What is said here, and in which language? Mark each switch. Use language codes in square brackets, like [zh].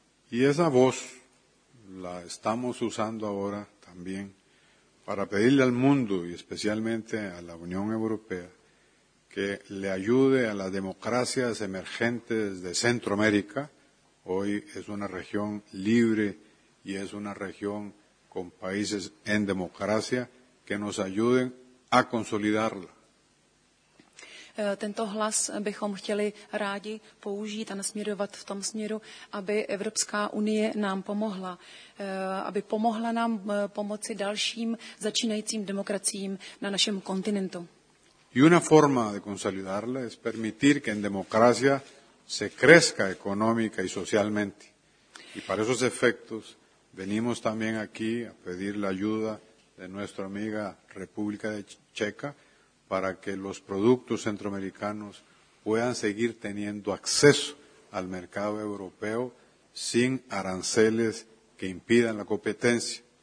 [es] Y esa voz la estamos usando ahora también para pedirle al mundo y especialmente a la Unión Europea que le ayude a las democracias emergentes de Centroamérica. Hoy es una región libre y es una región con países en democracia que nos ayuden a consolidarla. [cs] Tento hlas bychom chtěli rádi použít a nasměrovat v tom směru, aby Evropská unie nám pomohla, aby pomohla nám pomoci dalším začínajícím demokraciím na našem kontinentu. [es] Y una forma de consolidarla es permitir que en democracia se crezca económica y socialmente. Y para esos efectos venimos también aquí a pedir la ayuda de nuestra amiga República Checa para que los productos centroamericanos puedan seguir teniendo acceso al mercado europeo sin aranceles que impidan la competencia.